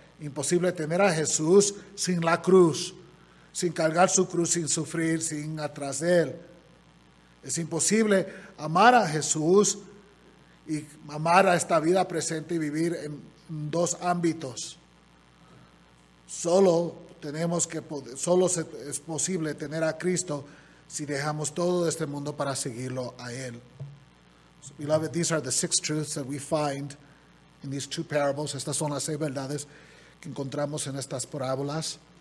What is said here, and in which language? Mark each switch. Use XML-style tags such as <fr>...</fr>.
<es>Imposible tener a Jesús sin la cruz, sin cargar su cruz, sin sufrir, sin atrás de él. Es imposible amar a Jesús y amar a esta vida presente y vivir en dos ámbitos. Solo tenemos que poder, solo es posible tener a Cristo si dejamos todo de este mundo para seguirlo a Él.</es> <en>So, beloved, these are the six truths that we find in these two parables.</en> <es>Estas son las seis verdades que encontramos en estas parábolas.</es>